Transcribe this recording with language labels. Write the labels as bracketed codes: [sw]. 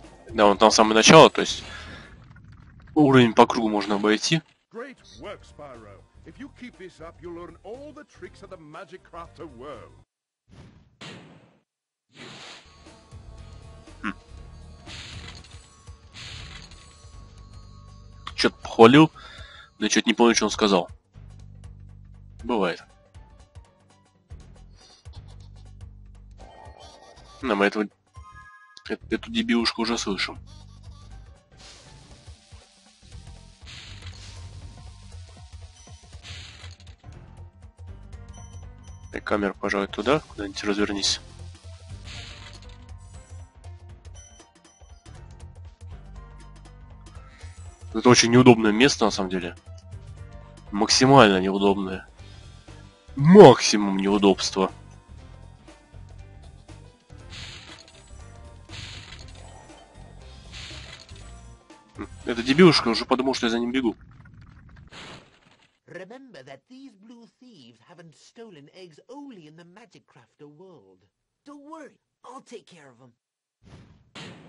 [ru] Да, вон там самое начало, то есть уровень по кругу можно обойти. [en] Great work, Spyro. If you keep this up, you'll learn all the tricks of the Magic Crafter world. [ru] Чё-то похвалил, но чё-то не помню, что он сказал. Бывает. Да, мы этого... Эту дебилушку уже слышим. Так, камера, пожалуй, туда, куда-нибудь развернись. Это очень неудобное место, на самом деле. Максимально неудобное. Максимум неудобства. Это дебилушка, уже подумал, что я за ним бегу. [en] Remember that these blue thieves haven't stolen eggs only in the Magic Crafter world. Don't worry, I'll take care of them.